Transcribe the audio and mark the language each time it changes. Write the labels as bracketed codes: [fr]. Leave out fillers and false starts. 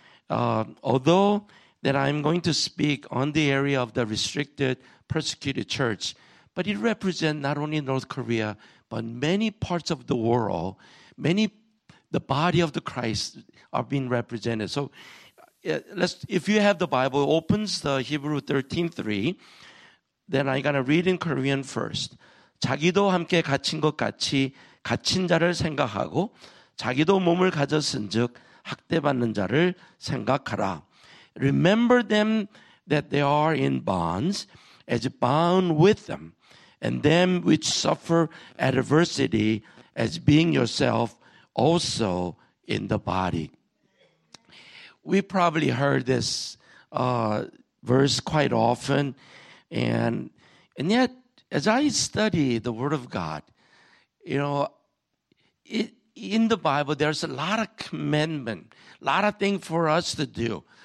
[en] Although that I'm going to speak on the area of the restricted persecuted church, but it represents not only North Korea, but many parts of the world, the body of the Christ are being represented. So if you have the Bible, it opens the Hebrews 13:3. Then I'm going to read in Korean first. [ko] 자기도 함께 갇힌 것 같이 갇힌 자를 생각하고 자기도 몸을 가졌은 즉 학대받는 자를 생각하라. [en] Remember them that they are in bonds as bound with them, and them which suffer adversity as being yourself also in the body. We probably heard this verse quite often, and yet, as I study the Word of God, you know, in the Bible, there's a lot of commandment, a lot of things for us to do.